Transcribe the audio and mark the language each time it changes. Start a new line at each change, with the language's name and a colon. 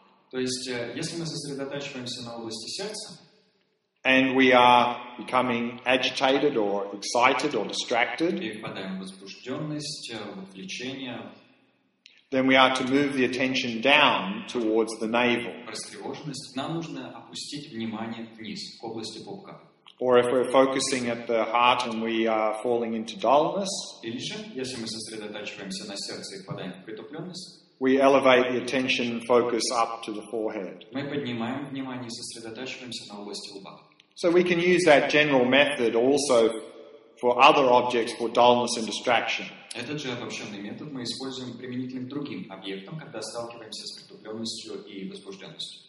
Russian: то есть если мы сосредотачиваемся на области сердца,
English: and we are becoming agitated or excited or distracted,
Russian: и впадаем в возбужденность, в отвлечение,
English: then we are to move the attention down towards the navel.
Russian: Растревоженность. Нам нужно опустить внимание вниз, к области пупка.
English: Or if we're focusing at the heart and we are falling into dullness,
Russian: или же, если мы сосредотачиваемся на сердце и впадаем в притупленность,
English: we elevate the attention focus up to the forehead.
Russian: Мы поднимаем внимание и сосредотачиваемся на области лба.
English: So we can use that general method also for other objects for dullness and distraction.
Russian: Этот же обобщенный метод мы используем применительно к другим объектам, когда сталкиваемся с притупленностью и возбужденностью.